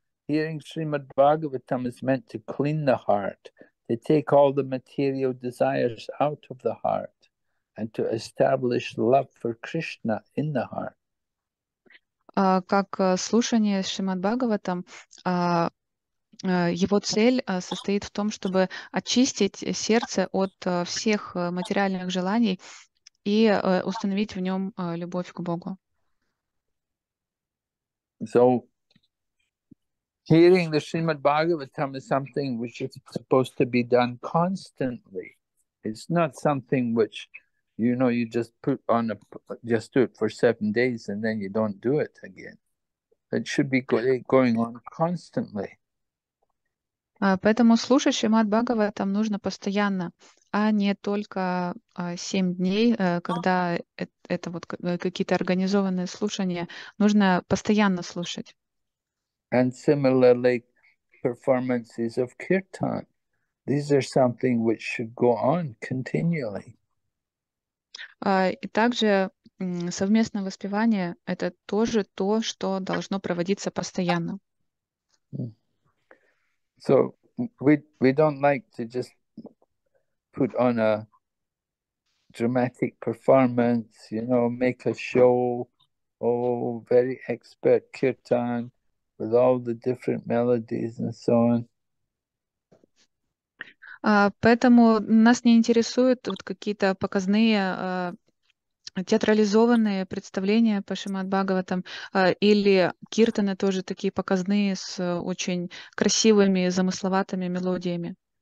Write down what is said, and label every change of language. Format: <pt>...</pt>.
<en>Hearing Srimad Bhagavatam is meant to clean the heart. To take all the material desires out of the heart and to establish love for Krishna in the heart.</en> <ru>Как слушание Шримад Бхагаватам, его цель состоит в том, чтобы очистить сердце от всех материальных желаний и установить в нем любовь к Богу.</ru> <en>So, hearing the Srimad Bhagavatam is something which is supposed to be done constantly. It's not something which, you know, you just put on a, just do it for 7 days and then you don't do it again. It should be going on constantly.</en> <ru>Поэтому слушать Шримад Бхагаватам нужно постоянно, а не только 7 дней, когда это вот какие-то организованные слушания. Нужно постоянно слушать.</ru> <en>And similarly, performances of kirtan. These are something which should go on continually.</en> <ru>И также совместное воспевание — это тоже то, что должно проводиться постоянно.</ru> <en>So we don't like to just put on a dramatic performance, you know, make a show, oh, very expert kirtan. With all the different melodies and so on.</en> <ru>Поэтому нас не интересуют вот какие-то показные театрализованные представления по Шримад Бхагаватам или киртаны тоже такие показные с очень красивыми замысловатыми мелодиями.</ru>